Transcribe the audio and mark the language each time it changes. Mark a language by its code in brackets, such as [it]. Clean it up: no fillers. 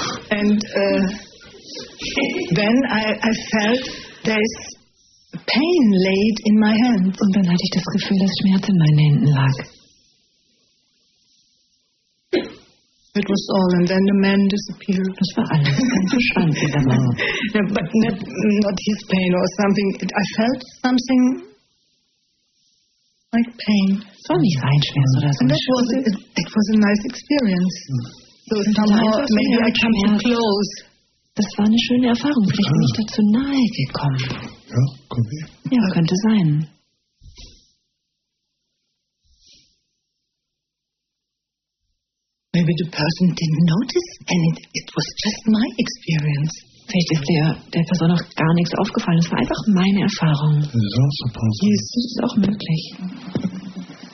[en] And then I felt there's pain laid in my hands. [de] Und dann hatte ich das Gefühl, dass Schmerz in meinen Händen lag. [en] It was all, and then the man disappeared. [de] Das war alles. Dann verschwand dieser Mann. [en] Yeah, but not his pain or something. I felt something like pain. [de] So nicht sein Schmerz oder so. [en] And that was it was a nice experience. So somehow maybe I come too close. [de] Das war eine schöne Erfahrung. Vielleicht bin ich dazu nahe gekommen. Ja, ja, könnte sein. [en] Maybe the person didn't notice and it was just my experience. [de] Vielleicht ist der Person auch gar nichts aufgefallen. Es war einfach meine Erfahrung. Das ist auch möglich.